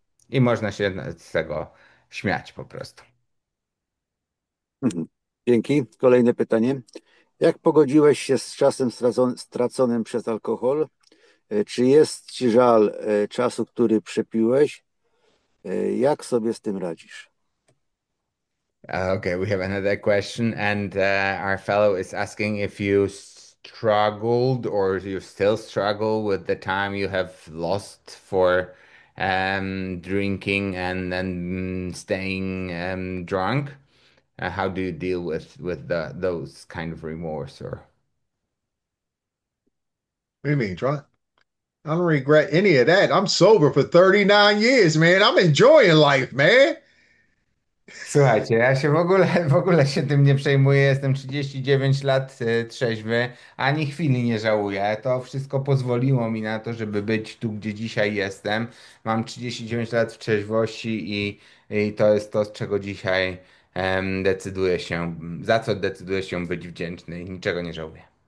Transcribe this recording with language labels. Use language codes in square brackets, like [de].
[pl] I można się z tego śmiać po prostu. Dzięki. Kolejne pytanie. Jak pogodziłeś się z czasem straconym przez alkohol? Czy jest ci żal czasu, który przepiłeś? Jak sobie z tym radzisz? [en] Okay, we have another question, and our fellow is asking if you struggled or you still struggle with the time you have lost for drinking and staying drunk. How do you deal with the those kind of remorse or? What do you mean, John? I don't regret any of that. I'm sober for 39 years, man. I'm enjoying life, man. [pl] Słuchajcie, ja się w ogóle się tym nie przejmuję. Jestem 39 lat trzeźwy, ani chwili nie żałuję. To wszystko pozwoliło mi na to, żeby być tu, gdzie dzisiaj jestem. Mam 39 lat w trzeźwości i to jest to, z czego dzisiaj decyduję się, za co decyduję się być wdzięczny i niczego nie żałuję.